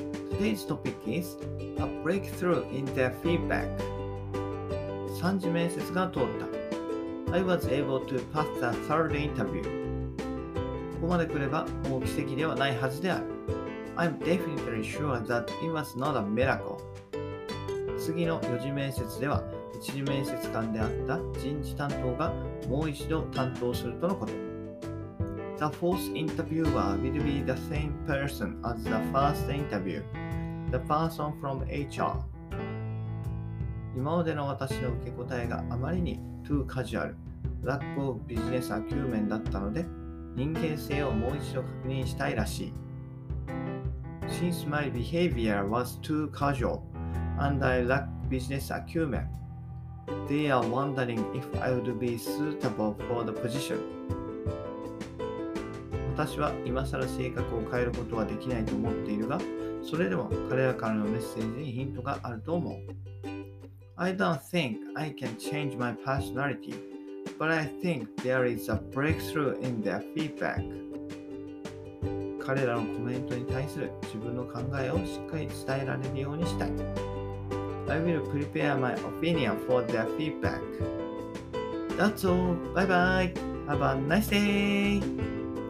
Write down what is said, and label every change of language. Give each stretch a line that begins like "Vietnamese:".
English: Today's topic is a breakthrough in their feedback.
Japanese: 3次面接が通った。
English: I was able to pass the third interview.
Japanese: ここまで来ればもう奇跡ではないはずである。
English: I'm definitely sure that it was not a miracle.
Japanese: 次の4次面接では、1次面接官であった人事担当がもう一度担当するとのこと。
English: The fourth interviewer will be the same person as the first interview, the person from HR.
Japanese: 今までの私の受け答えがあまりに
English: too casual, lack of business acumen
Japanese: だったので、人間性をもう一度確認したいらしい。
English: Since my behavior was too casual and I lack business acumen, they are wondering if I would be suitable for the position.
Japanese: 私は今更性格を変えることはできないと思っているが、それでも彼らからのメッセージにヒントがあると思う。
English: I don't think I can change my personality, but I think there is a breakthrough in their feedback.
Japanese: 彼らのコメントに対する自分の考えをしっかり伝えられるようにしたい。
English: I will prepare my opinion for their feedback. That's all. Bye bye. Have a nice day.